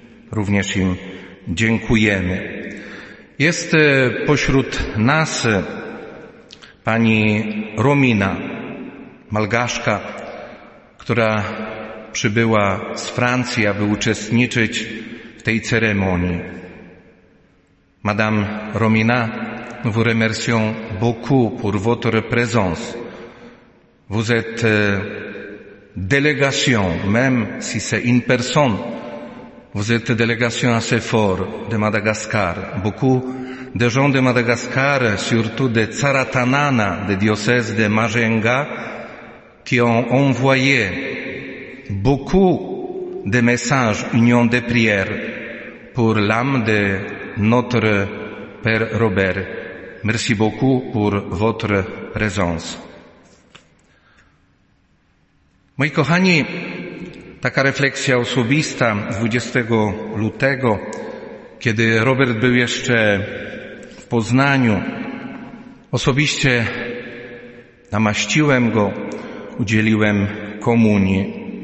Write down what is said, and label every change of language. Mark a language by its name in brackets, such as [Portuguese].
[Polish] Również im dziękujemy. Jest pośród nas pani Romina, malgaszka, która przybyła z Francji, aby uczestniczyć w tej ceremonii. [French] Madame Romina, vous remercions beaucoup pour votre présence. Vous êtes délégation, même si c'est une personne, vous êtes délégation assez fort de Madagascar. Beaucoup de gens de Madagascar, surtout de Tsaratanana, de diocèse de Majenga, qui ont envoyé beaucoup de messages, union de prières, pour l'âme de notre Père Robert. Merci beaucoup pour votre présence. [Polish] Moi kochani, taka refleksja osobista 20 lutego, kiedy Robert był jeszcze w Poznaniu. Osobiście namaściłem go, udzieliłem komunii.